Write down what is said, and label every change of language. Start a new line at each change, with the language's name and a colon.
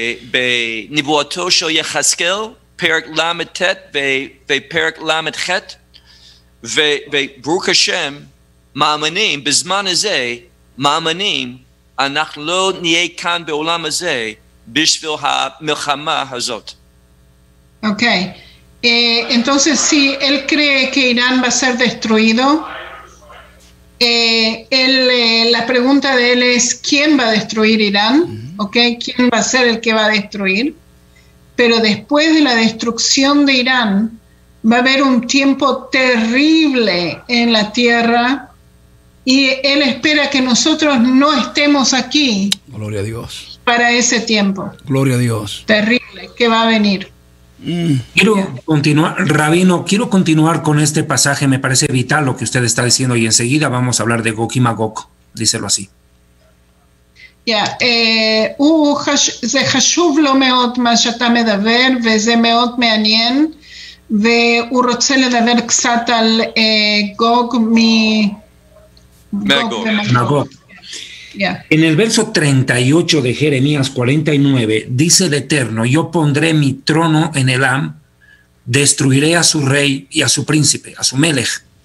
Hebrew: בנבואתו של יחזקאל, פרק למדת ופרק למדחת, וברוך השם, מאמינים, בזמן הזה, מאמינים, אנחנו לא נהיה כאן בעולם הזה בשביל המלחמה הזאת.
English: Okay.
Spanish: Entonces, si él cree que Irán va a ser destruido, la pregunta de él es, ¿quién va a destruir Irán? Okay, ¿quién va a ser el que va a destruir? Pero después de la destrucción de Irán, va a haber un tiempo terrible en la Tierra y él espera que nosotros no estemos aquí. Gloria a Dios. Para ese tiempo. Gloria a Dios. Terrible, que va a venir. Quiero continuar, Rabino, quiero continuar con este pasaje, me parece vital lo que usted está diciendo y enseguida vamos a hablar de Gog y Magog, díselo así.
Hebrew: Ya, זה חשוב לא מאוד מה שאתה מדבר וזה מאוד מעניין והוא רוצה לדבר קצת על גוג ומגוג.
Spanish: En el verso 38 de Jeremías 49 dice el Eterno, yo pondré mi trono en Elam, destruiré a su rey y a su príncipe, a su Melech.